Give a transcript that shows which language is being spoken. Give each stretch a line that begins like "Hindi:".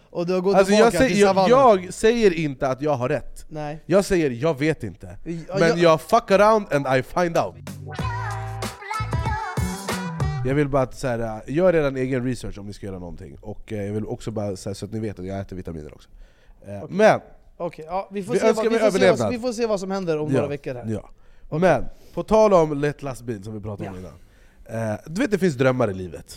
Swedish: Och du har gått tillbaka alltså till savannen. Jag säger inte att jag har rätt. Nej. Jag säger jag vet inte. Men jag
English: fuck around and I find out.
Swedish: Jag vill bara så här, gör redan egen research om ni ska göra någonting. Och jag vill också bara så, här, så att ni vet att jag äter vitaminer också. Okay. Men okay. Ja, vi får se vad som händer om några veckor här. Ja. Okay. Men på tal om lätt lastbil som vi pratade om innan. Du vet, det finns drömmar i livet.